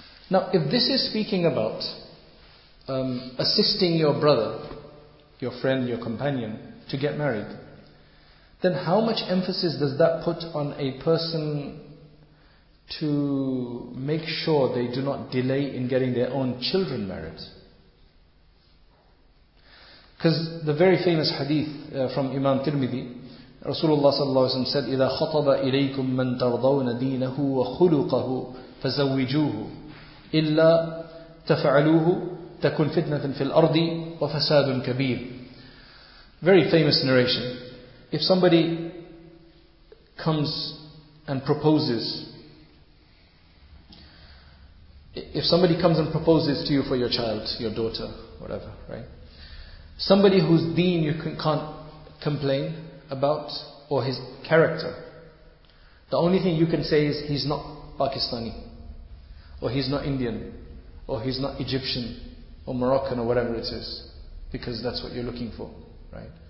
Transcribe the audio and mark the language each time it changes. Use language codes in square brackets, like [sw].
[en] Now, if this is speaking about assisting your brother, your friend, your companion, to get married, then how much emphasis does that put on a person to make sure they do not delay in getting their own children married? Because the very famous hadith from Imam Tirmidhi, Rasulullah sallallahu alaihi wasallam said, [ar] إِذَا خَطَبَ إِلَيْكُم مَّن تَرْضَوْنَ دِينَهُ وَخُلُقَهُ فَزَوِّجُوهُ إِلَّا تَفَعَلُوهُ تَكُنْ فِتْنَةً فِي الْأَرْضِ وَفَسَادٌ كَبِيرٌ. [en] Very famous narration. If somebody comes and proposes, if somebody comes and proposes to you for your child, your daughter, whatever, right? Somebody whose deen you can't complain about, or his character, the only thing you can say is he's not Pakistani, or he's not Indian, or he's not Egyptian, or Moroccan, or whatever it is, because that's what you're looking for, right?